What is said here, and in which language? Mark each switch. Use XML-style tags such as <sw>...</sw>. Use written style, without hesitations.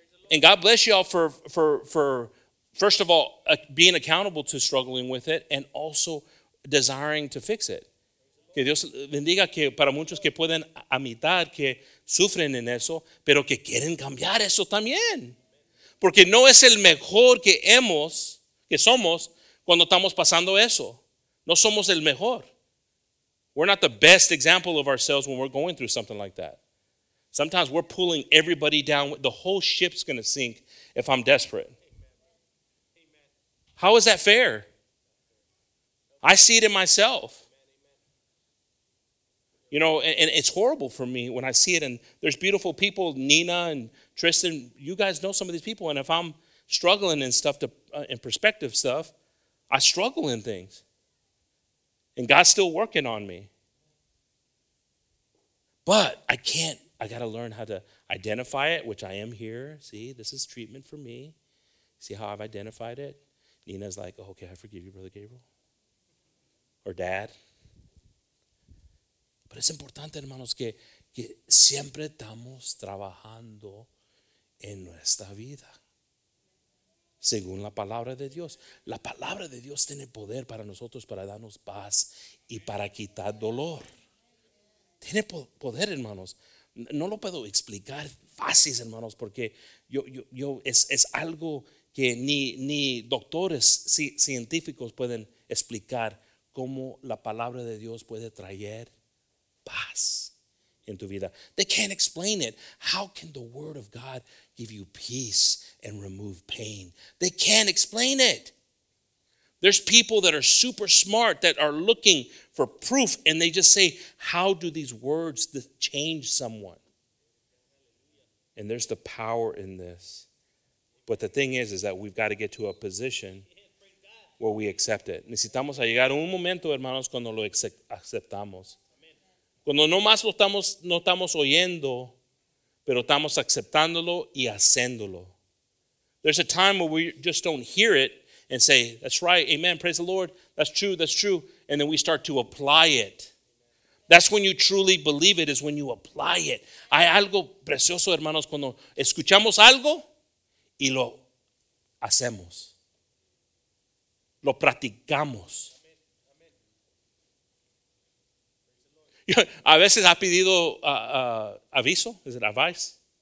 <en>And God bless you all for first of all, being accountable to struggling with it and also desiring to fix it.</en> <es>Que Dios bendiga que para muchos que pueden admitir que sufren en eso, pero que quieren cambiar eso también. Porque no es el mejor que somos cuando estamos pasando eso. No somos el mejor.</es> <en>We're not the best example of ourselves when we're going through something like that. Sometimes we're pulling everybody down. The whole ship's going to sink if I'm desperate. How is that fair? I see it in myself. You know, and it's horrible for me when I see it. And there's beautiful people, Nina and Tristan. You guys know some of these people. And if I'm struggling in stuff, in perspective stuff, I struggle in things. And God's still working on me. But I can't. I got to learn how to identify it, which I am here. See, this is treatment for me. See how I've identified it? Nina's like, oh, okay, I forgive you, Brother Gabriel. Or Dad.</en> <es>Pero es importante, hermanos, que siempre estamos trabajando en nuestra vida. Según la palabra de Dios. La palabra de Dios tiene poder para nosotros para darnos paz y para quitar dolor. Tiene poder, hermanos. No lo puedo explicar fácil, hermanos, porque yo es algo que ni doctores científicos pueden explicar cómo la palabra de Dios puede traer paz en tu vida.</es> <en>They can't explain it. How can the word of God give you peace and remove pain? They can't explain it. There's people that are super smart that are looking for proof and they just say, how do these words change someone? And there's the power in this. But the thing is that we've got to get to a position where we accept it.</en> <es>Necesitamos a llegar a un momento, hermanos, cuando lo aceptamos. Cuando no más lo estamos, no estamos oyendo, pero estamos aceptándolo y haciéndolo.</es> <en>There's a time where we just don't hear it and say, that's right, amen, praise the Lord, that's true, and then we start to apply it. That's when you truly believe it, is when you apply it.</en> <es>Hay algo precioso, hermanos, cuando escuchamos algo y lo hacemos. Lo practicamos. A veces ha pedido aviso,</es> <en>is it advice?</en>